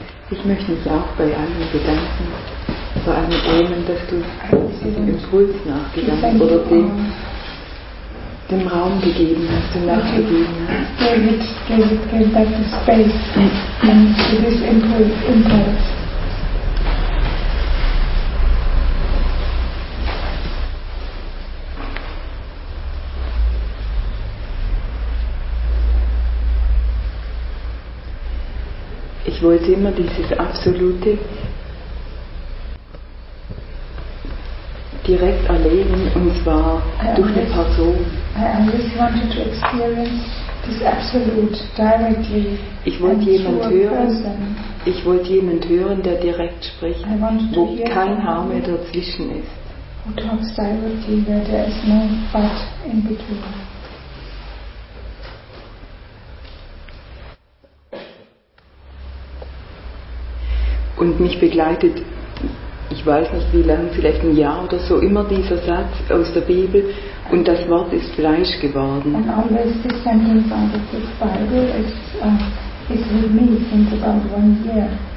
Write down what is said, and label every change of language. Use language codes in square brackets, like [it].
[de] Ich möchte mich auch bei allen bedanken, vor allem denen, dass du diesem Impuls nachgegangen bist oder dem Raum gegeben hast, dem nachgegeben hast. [en] David, back to space and to this impulse. [de] Ich wollte immer dieses absolute direkt erleben, und zwar durch eine Person. [en] I always wanted to experience this absolute directly. [de] Ich wollte jemand hören, der direkt spricht, wo kein Haar mehr dazwischen ist. [en] Who talks directly, where there is no but in between. [de] Und mich begleitet, ich weiß nicht wie lange, vielleicht ein Jahr oder so, immer dieser Satz aus der Bibel, und das Wort ist Fleisch geworden. [en] And always this sentence out of this Bible is with me since about 1 year.